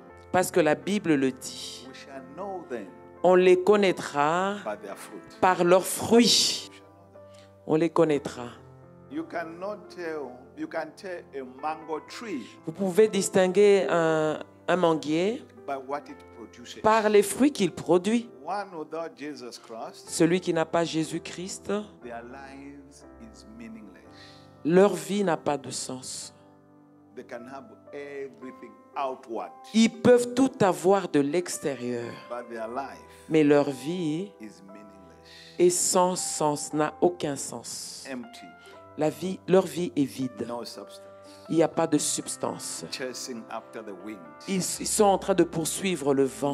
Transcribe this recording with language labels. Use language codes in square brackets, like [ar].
[fr] Parce que la Bible le dit. On les connaîtra par leurs fruits. On les connaîtra. [en] You can tell a mango tree. [fr] Vous pouvez distinguer un manguier [en] by what it produces. [fr] Par les fruits qu'il produit. [en] One without Jesus Christ, [fr] celui qui n'a pas Jésus-Christ, [en] their lives is meaningless. [fr] Leur vie n'a pas de sens. [en] They can have everything outward. [fr] Ils peuvent tout avoir de l'extérieur, [en] but their life, [fr] mais leur vie [en] is meaningless. [fr] Est sans sens, n'a aucun sens. [en] Empty. [fr] La vie, leur vie est vide. [en] No, [fr] il n'y a pas de substance. [en] After the wind. [fr] Ils sont en train de poursuivre le vent.